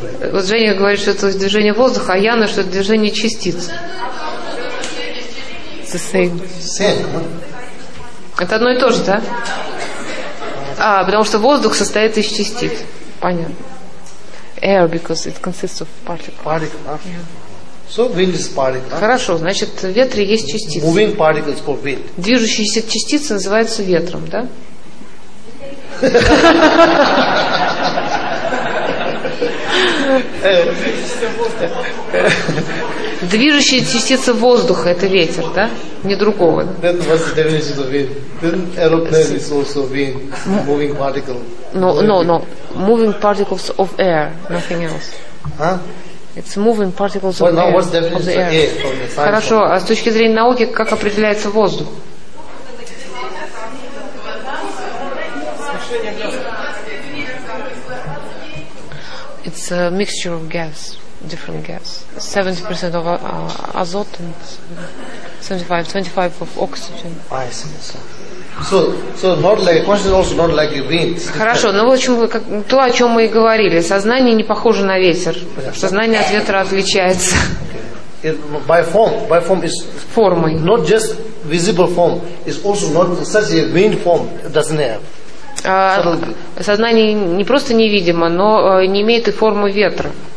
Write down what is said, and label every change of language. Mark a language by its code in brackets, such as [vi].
[ru] Вот Женя говорит, что это движение воздуха, а Яна, что это движение частиц. [en] It's the same. [ru] Это одно и то же, да? Потому что воздух состоит из частиц. Понятно. [en] Air, because it consists of particles. So wind is particle. [ru] Хорошо, значит, в ветре есть частицы. [en] Moving particles called wind. [ru] Движущиеся частицы называются ветром, да? Движущие частицы воздуха – это ветер, да? Не другого. [en] Then what's the definition of wind? Then aeroplane is also wind, moving particle. No. Moving particles of air, nothing else. Huh? It's moving particles of air. What's the definition of air? [ru] Хорошо, а с точки зрения науки, как определяется воздух? [en] It's a mixture of gas, different gas. 70% of azot and 75% of oxygen. I see. So not like consciousness, also not like wind. [ru] Хорошо, но в общем то, о чем мы и говорили, сознание не похоже на ветер. Сознание от ветра отличается. [en] By form is [ru] формой. [en] Not just visible form, it's also not such a wind form, doesn't have. [ru] Сознание не просто невидимо, но не имеет и формы ветра.